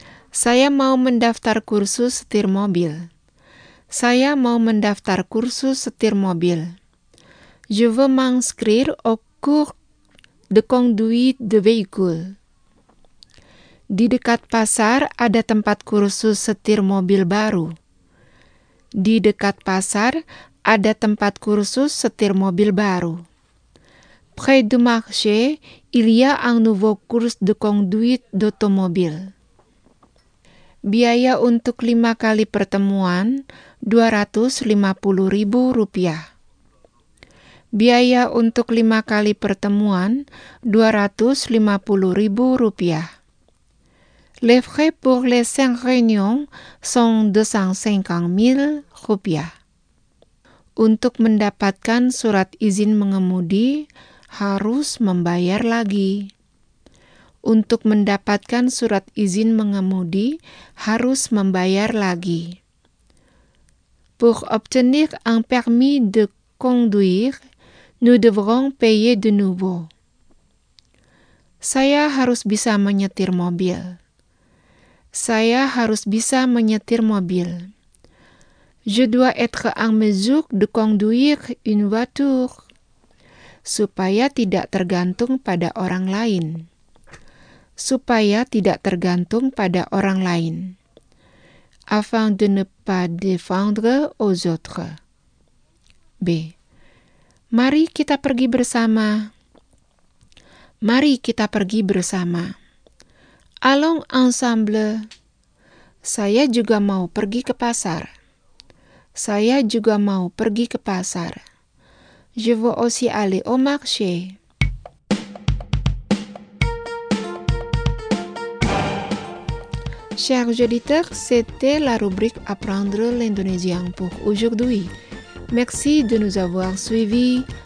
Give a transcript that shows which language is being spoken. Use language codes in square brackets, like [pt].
[id] Saya mau mendaftar kursus setir mobil. Saya mau mendaftar kursus setir mobil. [fr] Je veux m'inscrire au cours de conduite de véhicule. [id] Di dekat pasar ada tempat kursus setir mobil baru. Di dekat pasar ada tempat kursus setir mobil baru. [fr] Près du marché, il y a un nouveau cours de conduite d'automobile. [id] Biaya untuk 5 kali pertemuan Rp250.000. Biaya untuk 5 kali pertemuan Rp250.000. [fr] Les frais pour les 5 réunions sont Rp250.000. [id] Untuk mendapatkan surat izin mengemudi harus membayar lagi. Untuk mendapatkan surat izin mengemudi harus membayar lagi. [fr] Pour obtenir un permis de conduire, nous devrons payer de nouveau. [id] Saya harus bisa menyetir mobil. Saya harus bisa menyetir mobil. [fr] Je dois être en mesure de conduire une voiture. [id] Supaya tidak tergantung pada orang lain. Supaya tidak tergantung pada orang lain. [fr] Afin de ne pas défendre aux autres. [id] B. Mari kita pergi bersama. Mari kita pergi bersama. [fr] Allons ensemble. [id] Saya juga mau pergi ke pasar. Saya juga mau pergi ke pasar. [fr] Je veux aussi aller au marché. Chers auditeurs, c'était la rubrique Apprendre l'indonésien pour aujourd'hui. Merci de nous avoir suivis.